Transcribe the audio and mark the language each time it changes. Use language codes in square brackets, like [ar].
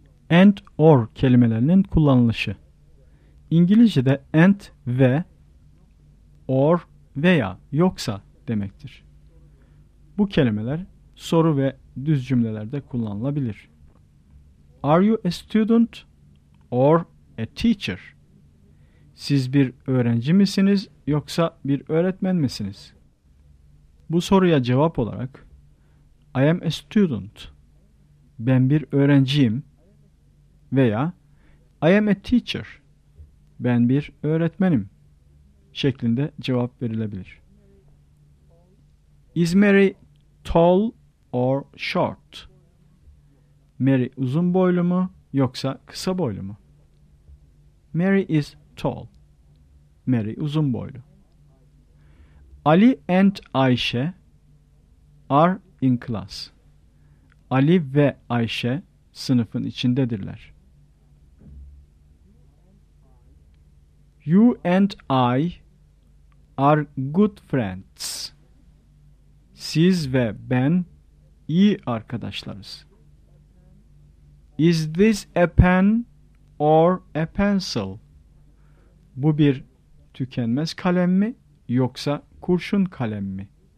[tr] And, or kelimelerinin kullanılışı. İngilizce'de and, ve, or, veya, yoksa demektir. Bu kelimeler soru ve düz cümlelerde kullanılabilir. [en] Are you a student or a teacher? [tr] Siz bir öğrenci misiniz yoksa bir öğretmen misiniz? Bu soruya cevap olarak [en] I am a student. [tr] Ben bir öğrenciyim. Veya [en] I am a teacher. [tr] Ben bir öğretmenim. Şeklinde cevap verilebilir. [en] Is Mary tall or short? [tr] Mary uzun boylu mu yoksa kısa boylu mu? [en] Mary is tall. [tr] Mary uzun boylu. [en] Ali and Ayşe are in class. [tr] Ali ve Ayşe sınıfın içindedirler. [en] You and I are good friends. [tr] Siz ve ben iyi arkadaşlarız. [en] Is this a pen or a pencil? [tr] Bu bir tükenmez kalem mi yoksa kurşun kalem mi?